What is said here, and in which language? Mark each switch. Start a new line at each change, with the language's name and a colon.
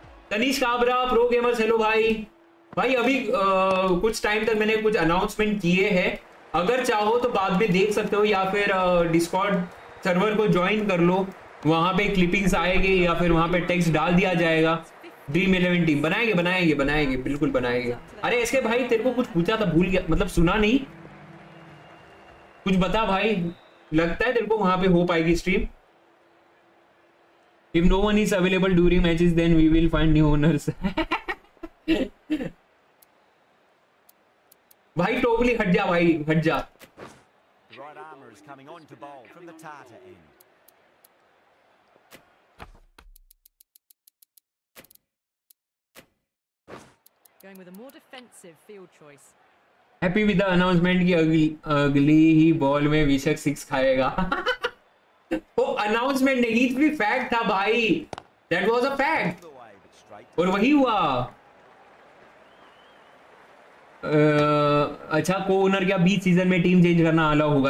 Hindi: Tanish Kabra pro gamers hello भाई। भाई अभी कुछ टाइम तक मैंने कुछ अनाउंसमेंट किए हैं, अगर चाहो तो बाद में देख सकते हो या फिर डिस्कॉर्ड सर्वर को ज्वाइन कर लो, वहां पे क्लिपिंग्स आएगी या फिर वहां पे टेक्स्ट डाल दिया जाएगा, ड्रीम इलेवन टीम बनाएंगे बनाएंगे बनाएंगे बिल्कुल बनाएंगे। अरे इसके भाई तेरे को कुछ पूछा था, भूल गया मतलब सुना नहीं, कुछ बता भाई, लगता है तेरे को वहां पे हो पाएगी stream?
English: If no one is available during matches, then we will find new owners.
Hindi: भाई टोपली हट जा भाई हट जा।
English: Right armor is coming on to bowl from the tartar end. Going with a more defensive field choice. Happy with the announcement
Hindi: कि अगली ही ball में विशक सिक्स खाएगा। वो अनाउंसमेंट नहीं, इट भी फैक्ट था भाई,
English: that was a fact
Hindi: और वही हुआ। अच्छा को ओनर क्या बीच सीजन में टीम चेंज करना अलाउ होगा?